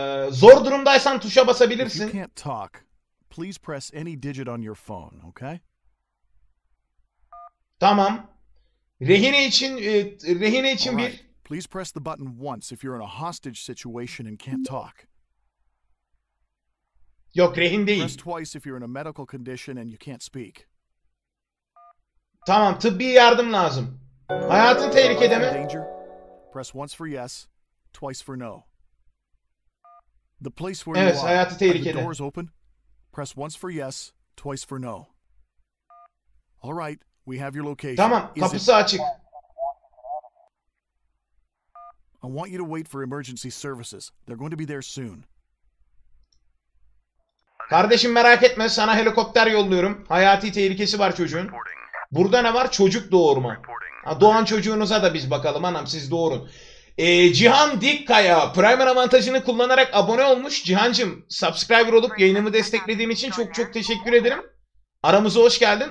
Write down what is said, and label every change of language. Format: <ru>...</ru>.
<tr>Zor durumdaysan tuşa basabilirsin.</tr> <en>If you can't talk, please press any digit on your phone, okay?</en> <tr>Tamam. Rehine için bir.</tr> <en>Please press the button once if you're in a hostage situation and can't talk.</en> <tr>Yok, rehin değil.</tr> <en>Press twice if you're in a medical condition and you can't speak.</en> <tr>Tamam, tıbbi yardım lazım. Hayatın tehlikede mi? Danger.</tr> <en>Press once for yes, twice for no. The place where</en> <tr>evet,</tr> <en>you are. Are the doors open? Press once for yes, twice for no. All right, we have your location.</en> <tr>Tamam, kapısı it... açık.</tr> <en>I want you to wait for emergency services. They're going to be there soon.</en> <tr>Kardeşim merak etme, sana helikopter yolluyorum. Hayati tehlikesi var çocuğun. Burada ne var? Çocuk doğurma. Ha, doğan çocuğunuza da biz bakalım anam, siz doğurun. Cihan Dikkaya Primer avantajını kullanarak abone olmuş. Cihancığım, subscriber olup yayınımı desteklediğin için çok çok teşekkür ederim. Aramıza hoş geldin.</tr>